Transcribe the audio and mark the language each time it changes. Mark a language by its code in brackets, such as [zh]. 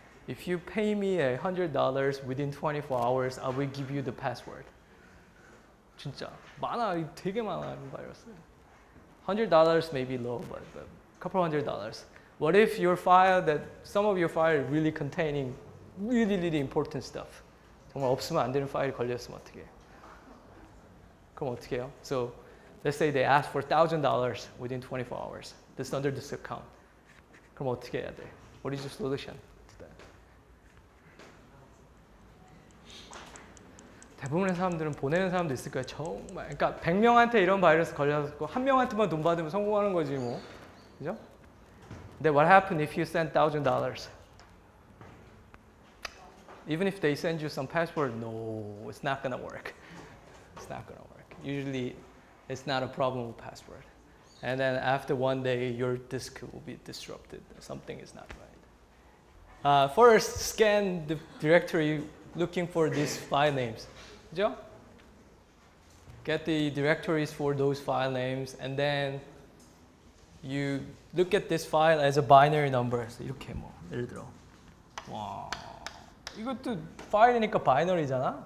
[en] If you pay me $100 within 24 hours, I will give you the password. [ko] 진짜 많아. 되게 많아 이 바이러스. [en] $100 may be low, but couple hundred dollars. What if your file that some of your file really containing really really important stuff? [ko] 정말 없으면 안 되는 파일이 걸렸으면 어떻게 해요? 그럼 어떻게 해요? [en] So, let's say they ask for $1,000 within 24 hours. This under this account. [ko] 그럼 어떻게 해야 돼? [en] What is your solution to that? [ko] 대부분의 사람들은 보내는 사람도 있을 거야. 정말. 그러니까 100명한테 이런 바이러스 걸려서 한 명한테만 돈 받으면 성공하는 거지 뭐. 그죠? [en] Then what happened if you send $1,000? Even if they send you some password, no, it's not gonna work. It's not gonna work. Usually, it's not a problem with password. And then after one day, your disk will be disrupted. Something is not right. First, scan the directory looking for these file names. Get the directories for those file names, and then you look at this file as a binary number. [ko] So 이렇게 뭐, 예를 들어. [en] Wow. [ko] 이것도 파일이니까 바이너리잖아?